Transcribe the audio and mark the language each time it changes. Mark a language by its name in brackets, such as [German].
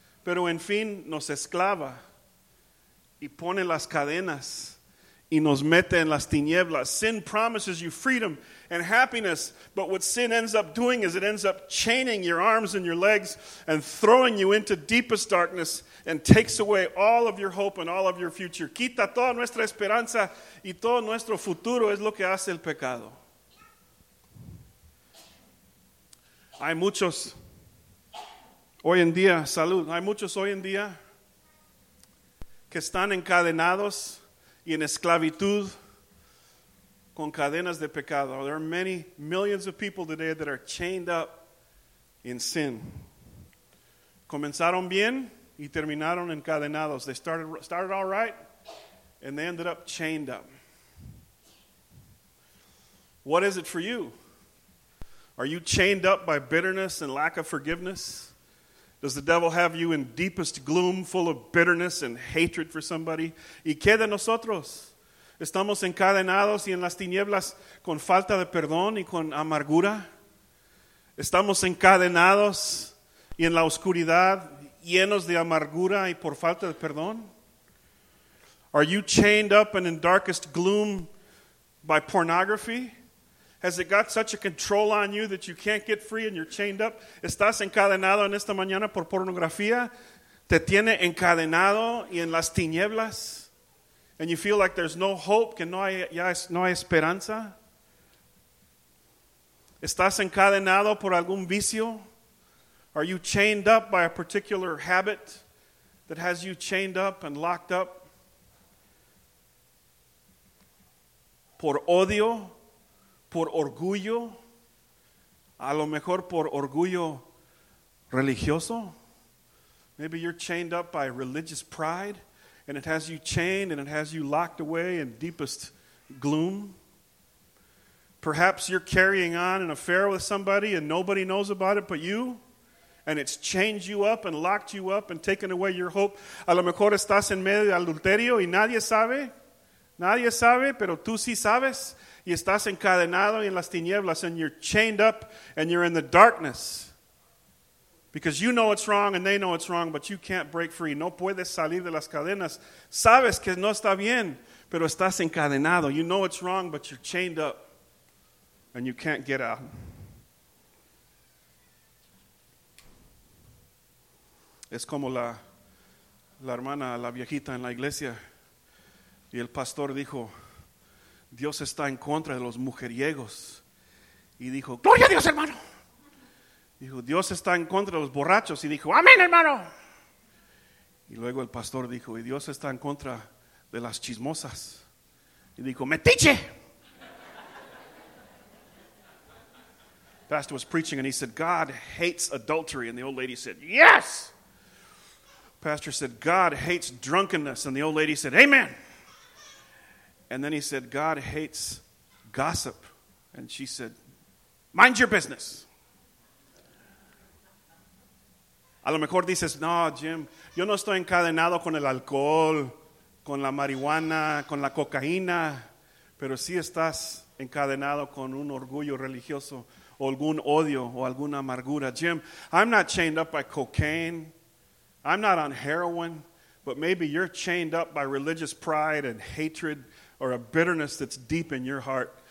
[Spanish] Pero en fin nos esclava y pone las cadenas y nos mete en las tinieblas. [English] Sin promises you freedom and happiness, but what sin ends up doing is it ends up chaining your arms and your legs and throwing you into deepest darkness and takes away all of your hope and all of your future. [Spanish] Quita toda nuestra esperanza y todo nuestro futuro es lo que hace el pecado. Hay muchos hoy en día, salud, hay muchos hoy en día que están encadenados y en esclavitud con cadenas de pecado. [English] There are many millions of people today that are chained up in sin. [Spanish] Comenzaron bien y terminaron encadenados. [English] They started all right and they ended up chained up. What is it for you? Are you chained up by bitterness and lack of forgiveness? Does the devil have you in deepest gloom, full of bitterness and hatred for somebody? [Spanish] ¿Y qué de nosotros? ¿Estamos encadenados y en las tinieblas con falta de perdón y con amargura? ¿Estamos encadenados y en la oscuridad, llenos de amargura y por falta de perdón? [English] Are you chained up and in darkest gloom by pornography? Has it got such a control on you that you can't get free and you're chained up? [Spanish] ¿Estás encadenado en esta mañana por pornografía? ¿Te tiene encadenado y en las tinieblas? [English] And you feel like there's no hope, [Spanish] que no hay esperanza? ¿Estás encadenado por algún vicio? [English] Are you chained up by a particular habit that has you chained up and locked up? [Spanish] ¿Por odio? Por orgullo, a lo mejor por orgullo religioso. [English] Maybe you're chained up by religious pride, and it has you chained and it has you locked away in deepest gloom. Perhaps you're carrying on an affair with somebody and nobody knows about it but you, and it's chained you up and locked you up and taken away your hope. [Spanish] A lo mejor estás en medio de adulterio y nadie sabe, pero tú sí sabes. Y estás encadenado y en las tinieblas, [English] and you're chained up and you're in the darkness. Because you know it's wrong and they know it's wrong, but you can't break free. [Spanish] No puedes salir de las cadenas. Sabes que no está bien, pero estás encadenado. [English] You know it's wrong, but you're chained up and you can't get out. [Spanish] Es como la hermana, la viejita en la iglesia. Y el pastor dijo, Dios está en contra de los mujeriegos. Y dijo, ¡Gloria a Dios, hermano! Dijo, Dios está en contra de los borrachos. Y dijo, ¡Amén, hermano! Y luego el pastor dijo, y Dios está en contra de las chismosas. Y dijo, ¡Metiche! [English] Pastor was preaching and he said, God hates adultery. And the old lady said, ¡Yes! Pastor said, God hates drunkenness. And the old lady said, ¡Amen! And then he said, God hates gossip. And she said, mind your business. [Spanish] A lo mejor dices, no, Jim, yo no estoy encadenado con el alcohol, con la marihuana, con la cocaína, pero sí estás encadenado con un orgullo religioso o algún odio o alguna amargura. [English] Jim, I'm not chained up by cocaine. I'm not on heroin. But maybe you're chained up by religious pride and hatred or a bitterness that's deep in your heart.